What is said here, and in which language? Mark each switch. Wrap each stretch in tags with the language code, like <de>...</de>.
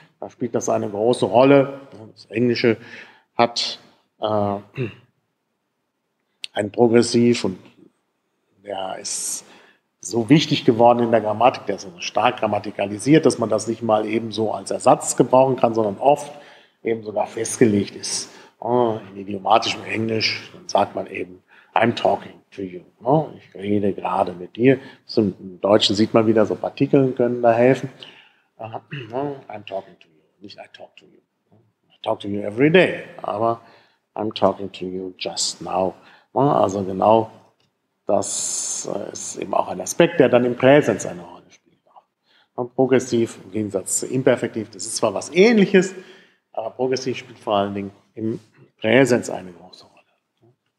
<de>Da spielt das eine große Rolle. Das Englische hat ein Progressiv und der ist so wichtig geworden in der Grammatik, der ist also stark grammatikalisiert, dass man das nicht mal eben so als Ersatz gebrauchen kann, sondern oft eben sogar festgelegt ist. In idiomatischem Englisch, dann sagt man eben,</de> <en>I'm talking to you.</en> <de>Ich rede gerade mit dir. Im Deutschen sieht man wieder, so Partikel können da helfen.</de> <en>I'm talking to you,</en> <de>nicht</de> <en>I talk to you. I talk to you every day,</en> <de>aber</de> <en>I'm talking to you just now.</en> <de>Also genau das ist eben auch ein Aspekt, der dann im Präsens eine Rolle spielt. Und progressiv im Gegensatz zu imperfektiv, das ist zwar was Ähnliches, aber progressiv spielt vor allen Dingen im Präsens eine große Rolle.</de>